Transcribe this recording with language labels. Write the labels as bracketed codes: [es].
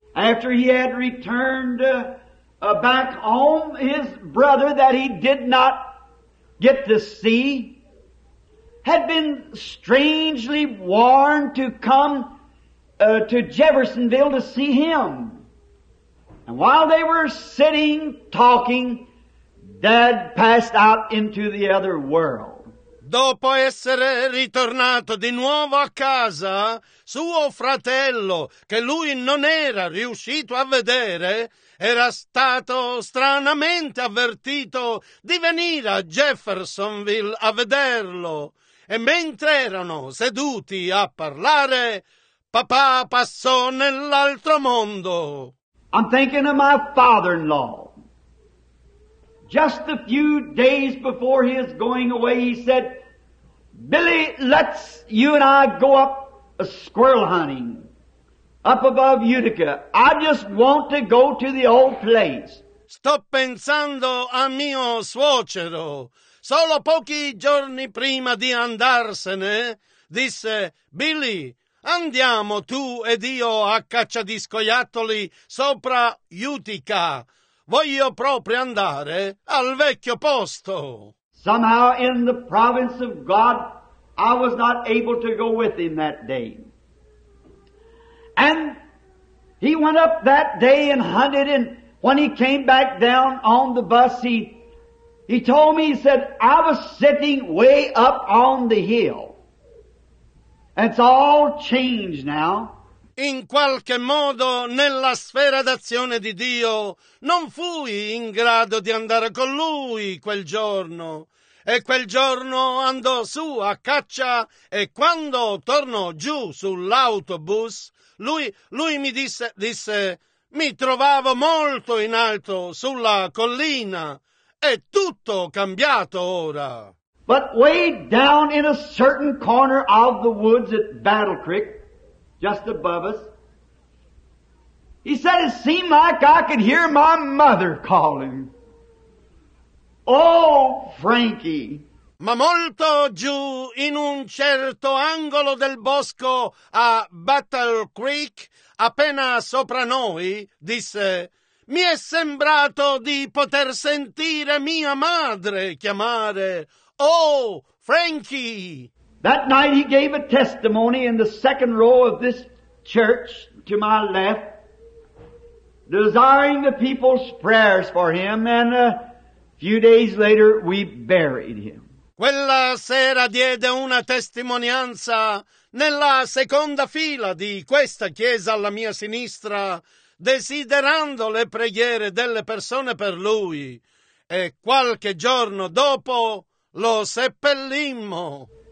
[en] after he had returned back home, his brother that he did not get to see had been strangely warned to come to Jeffersonville to see him. And while they were sitting talking, Dad passed out into the other world. [it] Dopo essere ritornato di nuovo a casa, suo fratello, che lui non era riuscito a vedere, era stato stranamente avvertito di venire a Jeffersonville a vederlo. E mentre erano seduti a parlare, papà passò nell'altro mondo. [en] I'm thinking of my father-in-law. Just a few days before his going away, he said, Billy, let's you and I go up a squirrel hunting up above Utica. I just want to go to the old place. [it] Sto pensando a mio suocero. Solo pochi giorni prima di andarsene, disse, Billy, andiamo tu ed io a caccia di scoiattoli sopra Utica. Voglio proprio andare al vecchio posto. [en] Somehow in the province of God, I was not able to go with him that day. And he went up that day and hunted, and when he came back down on the bus, he told me, he said, I was sitting way up on the hill. It's all changed now. [it] In qualche modo, nella sfera d'azione di Dio, non fui in grado di andare con lui quel giorno. E quel giorno andò su a caccia e quando tornò giù sull'autobus, lui mi disse, mi trovavo molto in alto sulla collina. È tutto cambiato ora. [en] But way down in a certain corner of the woods at Battle Creek, just above us, he said it seemed like I could hear my mother calling. Oh, Frankie! [it] Ma molto giù, in un certo angolo del bosco a Battle Creek, appena sopra noi, disse, mi è sembrato di poter sentire mia madre chiamare. Oh, Frankie! [en] That night he gave a testimony in the second row of this church to my left, desiring the people's prayers for him, and few days later, we buried him. [it] Quella sera diede una testimonianza nella seconda fila di questa chiesa alla mia sinistra, desiderando le preghiere delle persone per lui. E qualche giorno dopo lo seppellimmo.